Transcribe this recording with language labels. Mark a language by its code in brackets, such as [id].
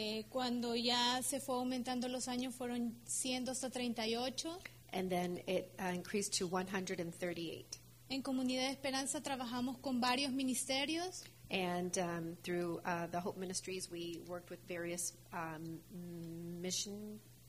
[es] Cuando ya se fue aumentando los años, fueron 138. [en] And then it increased to 138. [es] En Comunidad de Esperanza trabajamos con varios ministerios. [en] And through the Hope Ministries, we worked with various missions.